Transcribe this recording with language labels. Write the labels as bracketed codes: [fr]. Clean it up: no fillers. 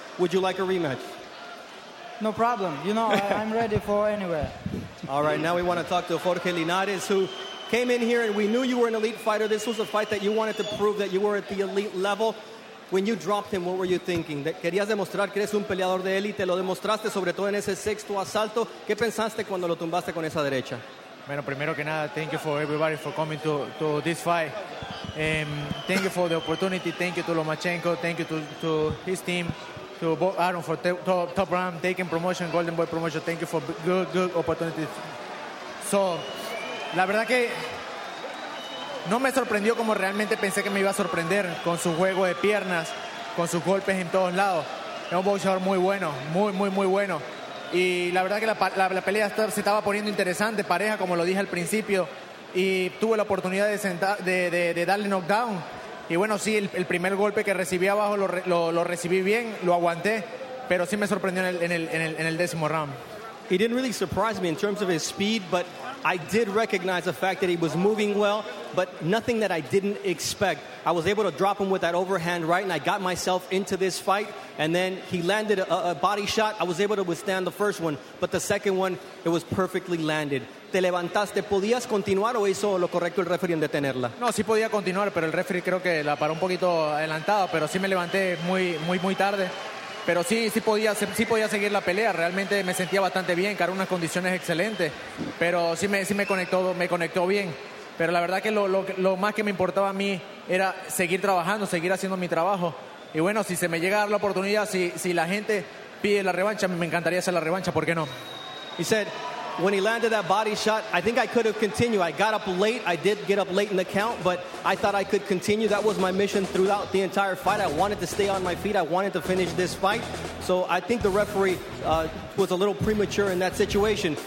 [en] Would you like a rematch? No problem. You know, I'm ready for anywhere. All right. Now we want to talk to Jorge Linares, who came in here, and we knew you were an elite fighter. This was a fight that you wanted to prove that you were at the elite level. When you dropped him, what were you thinking? [es] That querías demostrar que eres un peleador de élite. Lo demostraste, sobre todo en ese 6th asalto. ¿Qué pensaste cuando lo tumbaste con esa derecha? Bueno, primero que nada, [en] thank you for everybody for coming to this fight. Thank you for the opportunity. Thank you to Lomachenko. Thank you to his team, to Bob Arum for Top Ram taking promotion, Golden Boy promotion. Thank you for good opportunities. So, [es] la verdad que no me sorprendió como realmente pensé que me iba a sorprender, con su juego de piernas, con sus golpes en todos lados. Es un boxeador muy bueno, muy, muy, muy bueno. Y la verdad que la pelea se estaba poniendo interesante, pareja, como lo dije al principio. Y tuve la oportunidad de darle knockdown. Y bueno, sí, el primer golpe que recibí abajo lo recibí bien, lo aguanté. Pero sí me sorprendió en el décimo round. [en] He didn't really surprise me in terms of his speed, but I did recognize the fact that he was moving well, but nothing that I didn't expect. I was able to drop him with that overhand right, and I got myself into this fight, and then he landed a body shot. I was able to withstand the first one, but the second one, it was perfectly landed. [es] ¿Te levantaste? ¿Podías continuar o hizo lo correcto el referee en detenerla? No, sí podía continuar, pero el referee creo que la paró un poquito adelantado, pero sí me levanté muy, muy, muy tarde. Pero sí podía seguir la pelea. Realmente me sentía bastante bien, cara, unas condiciones excelentes. Pero sí me conectó bien. Pero la verdad que lo más que me importaba a mí era seguir trabajando, seguir haciendo mi trabajo. Y bueno, si se me llega a dar la oportunidad, si la gente pide la revancha, me encantaría hacer la revancha, ¿por qué no? [en] He said, when he landed that body shot, I think I could have continued. I got up late. I did get up late in the count, but I thought I could continue. That was my mission throughout the entire fight. I wanted to stay on my feet. I wanted to finish this fight. So I think the referee was a little premature in that situation.